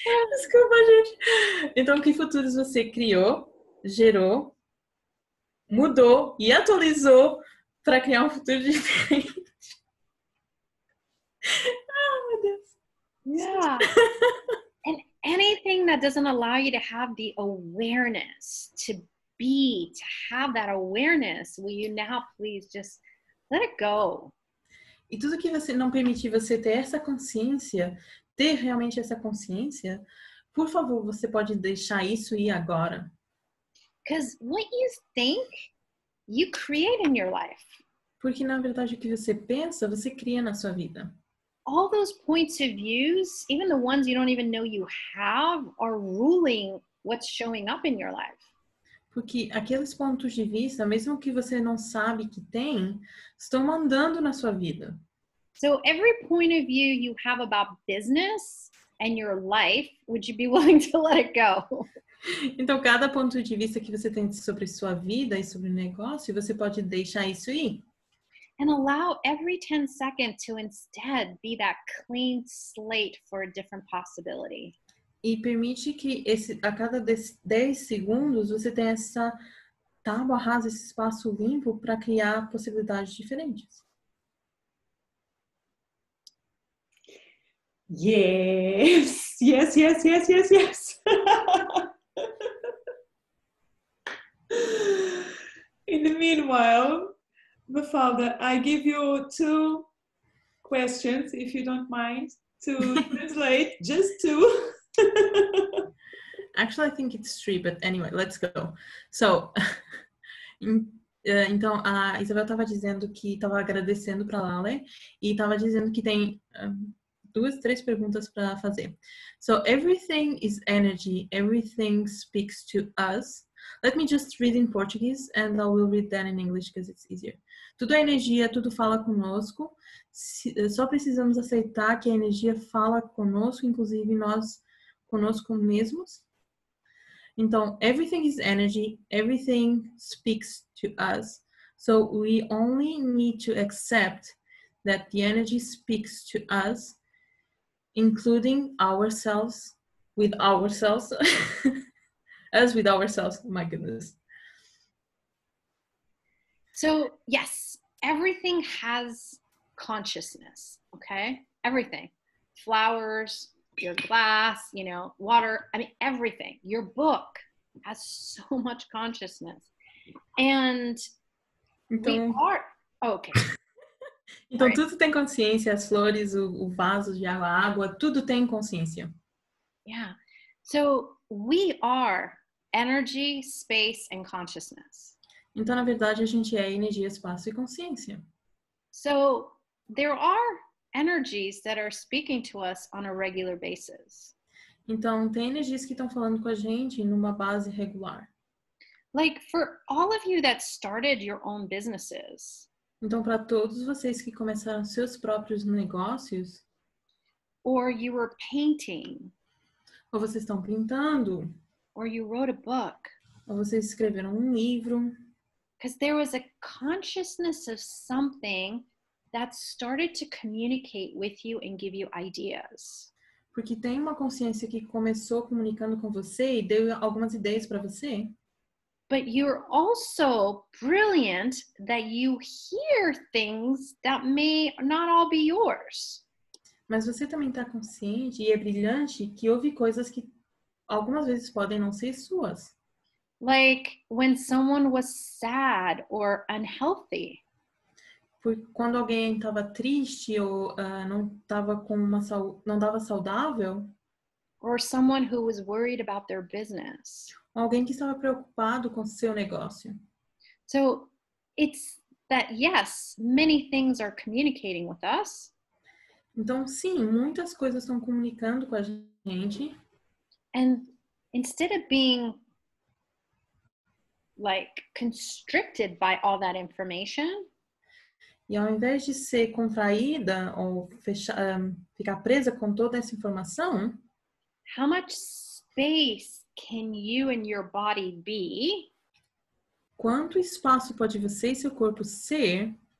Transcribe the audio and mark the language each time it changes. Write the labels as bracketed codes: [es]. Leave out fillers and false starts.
[pt] Desculpa, gente. Então, que futuros você criou, gerou, mudou e atualizou para criar um futuro diferente? Ah, meu Deus. [en] Yeah. And anything that doesn't allow you to have the awareness, to be, to have that awareness, will you now please just let it go? [pt] E tudo que você não permitir você ter essa consciência, ter realmente essa consciência, por favor, você pode deixar isso ir agora. [en] Because what you think, you create in your life. [pt] Porque na verdade o que você pensa, você cria na sua vida. [en] All those points of views, even the ones you don't even know you have, are ruling what's showing up in your life. [pt] Porque aqueles pontos de vista, mesmo que você não sabe que tem, estão mandando na sua vida. [en] So every point of view you have about business and your life, would you be willing to let it go? [pt] Então cada ponto de vista que você tem sobre sua vida e sobre o negócio, você pode deixar isso ir? [en] And allow every 10 seconds to instead be that clean slate for a different possibility. [pt] E permite que esse, a cada 10 segundos você tenha essa tábua rasa, esse espaço limpo para criar possibilidades diferentes. [en] Yes, yes, yes, yes, yes, yes. In the meanwhile, Mafalda, I give you 2 questions, if you don't mind, to translate, just 2. Actually, I think it's 3, but anyway, let's go. [pt] So, então, a Isabel estava dizendo que estava agradecendo para a Lale e estava dizendo que tem 2-3 perguntas para fazer. [en] So, everything is energy, everything speaks to us. Let me just read in Portuguese and I will read that in English because it's easier. [pt] Tudo é energia, tudo fala conosco. Só precisamos aceitar que a energia fala conosco, inclusive nós conosco mesmos. Então, [en] everything is energy, everything speaks to us. So we only need to accept that the energy speaks to us, including ourselves, with ourselves. As with ourselves, my goodness. So, yes, everything has consciousness, okay? Everything. Flowers, your glass, you know, water, I mean, everything. Your book has so much consciousness. And [pt] então, [en] we are... Oh, okay. [pt] Então, [en] right. [pt] Tudo tem consciência, as flores, o vaso de água, a água, tudo tem consciência. [en] Yeah. So, we are... Energy, space, and consciousness. [pt] Então, na verdade, a gente é energia, espaço e consciência. [en] So, there are energies that are speaking to us on a regular basis. [pt] Então, tem energias que estão falando com a gente numa base regular. [en] Like, for all of you that started your own businesses. [pt] Então, para todos vocês que começaram seus próprios negócios. [en] Or you were painting. [pt] Ou vocês estão pintando. [en] Or you wrote a book. [pt] Ou vocês escreveram livro. [en] Because there was a consciousness of something that started to communicate with you and give you ideas. [pt] Porque tem uma consciência que começou comunicando com você e deu algumas ideias para você. [en] But you're also brilliant that you hear things that may not all be yours. [pt] Mas você também está consciente e é brilhante que ouve coisas que algumas vezes podem não ser suas. [en] Like when someone was sad or unhealthy. [pt] Quando alguém estava triste ou não estava com uma saúde, não estava saudável. [en] Or someone who was worried about their business. [pt] Alguém que estava preocupado com seu negócio. [en] So it's that yes, many things are communicating with us. [pt] Então sim, muitas coisas estão comunicando com a gente. [en] And instead of being like constricted by all that information, [pt] e ao invés de ser contraída ou fechar, ficar presa com toda essa informação, [en] how much space can you and your body be? [pt] Quanto espaço pode você e seu corpo ser